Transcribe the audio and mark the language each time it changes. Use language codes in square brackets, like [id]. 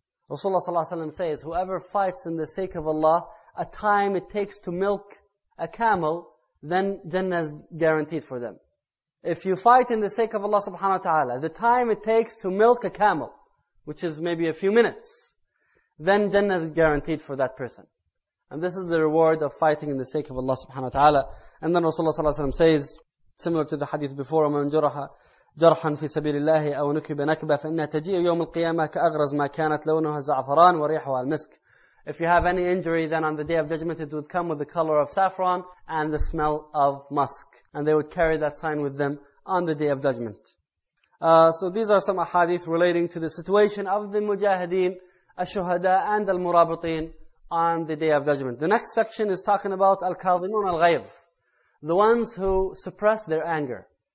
[en] Rasulullah sallallahu alayhi wa sallam says, whoever fights in the sake of Allah, a time it takes to milk a camel, then Jannah is guaranteed for them. If you fight in the sake of Allah subhanahu wa ta'ala, the time it takes to milk a camel, which is maybe a few minutes, then Jannah is guaranteed for that person. And this is the reward of fighting in the sake of Allah subhanahu wa ta'ala. And then Rasulullah sallallahu alayhi wa sallam says, similar to the hadith before, [ar] وَمَنْ جُرَحَ جَرْحًا فِي سَبِيلِ اللَّهِ أَوْ نُكِبَ نَكْبَ فَإِنَّا تَجِئُ يَوْمُ الْقِيَامَةِ كَأَغْرَزْ مَا كَانَتْ لَوْنُهَا زَعْفَرَانُ وَرِيحُهَا الْمِسْكُ. [en] If you have any injury, then on the day of judgment it would come with the color of saffron and the smell of musk. And they would carry that sign with them on the day of judgment. So these are some ahadith relating to the situation of the mujahideen, ash-shuhada and al-murabitin on the day of judgment. The next section is talking about al-kadhimun al-ghayz, the ones who suppress their anger.